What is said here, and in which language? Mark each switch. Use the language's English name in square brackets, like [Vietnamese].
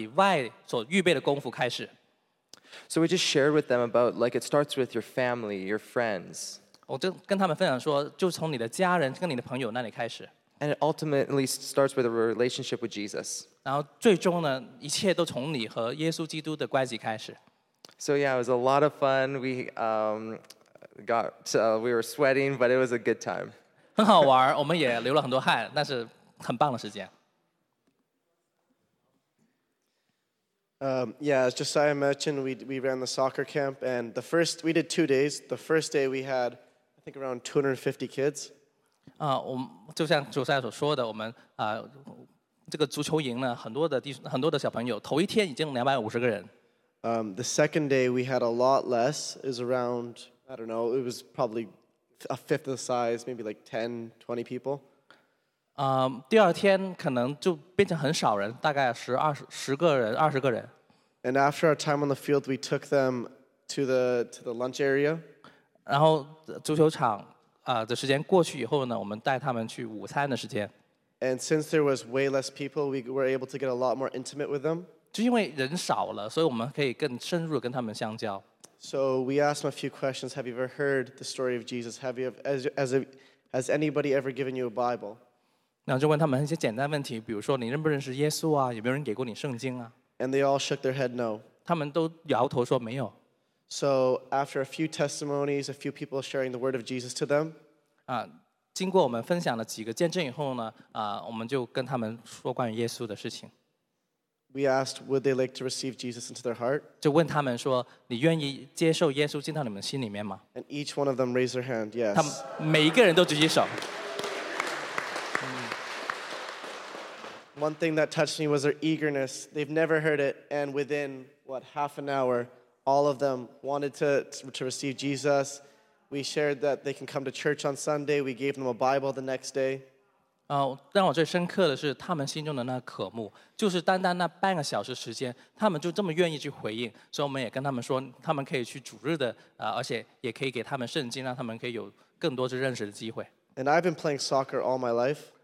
[Chinese] 如果你要在足球场上成功的话呢，就从你在足球场以外所预备的功夫开始。 [English] So we just shared with them about like it starts with your family, your friends. [Chinese] 我就跟他们分享说，就从你的家人跟你的朋友那里开始。 [English] And it ultimately starts with a relationship with Jesus. [Chinese] 然后最终呢，一切都从你和耶稣基督的关系开始。 [English] So yeah, it was a lot of fun. We we were sweating, but it was a good time. [Chinese] 很好玩，我们也流了很多汗，那是很棒的时间。 [English] Yeah, as Josiah mentioned, we ran the soccer camp, and the first we did 2 days. The first day we had, I think, around 250 kids. [Chinese] 就像主持人所说的，我们这个足球营呢，很多的小朋友，头一天已经250个人。 [English] The second day we had a lot less, is around, I don't know, it was probably a fifth of the size, maybe like 10, 20 people. [Chinese] 第二天可能就变成很少人，大概十个人。 [English] And after our time on the field, we took them to the lunch area. [Chinese] 然后足球场。的时间过去以后呢，我们带他们去午餐的时间。 [English] And since there was way less people, we were able to get a lot more intimate with them. [Chinese] 就因为人少了，所以我们可以更深入跟他们相交。 [English] So we asked them a few questions. Have you ever heard the story of Jesus? Has anybody ever given you a Bible? [Chinese] 然后就问他们一些简单问题，比如说你认不认识耶稣啊？有没有人给过你圣经啊？ [English] And they all shook their head no. [Chinese] 他们都摇头说没有。 [English] So after a few testimonies, a few people sharing the word of Jesus to them. [Chinese] 经过我们分享了几个见证以后呢，我们就跟他们说关于耶稣的事情。 [English] We asked, would they like to receive Jesus into their heart? [Chinese] 就问他们说，你愿意接受耶稣进到你们心里面吗？ [English] And each one of them raised their hand, yes. [Chinese] 他们每一个人都举起手。 [English] One thing that touched me was their eagerness. They've never heard it, and within, what, half an hour, all of them wanted to receive Jesus. We shared that they can come to church on Sunday. We gave them a Bible the next day. [Chinese] 让我最深刻的是他们心中的那渴慕，就是单单那半个小时时间，他们就这么愿意去回应。所以我们也跟他们说，他们可以去主日的，而且也可以给他们圣经，让他们可以有更多的认识的机会。 [English] And I've been playing soccer all my life.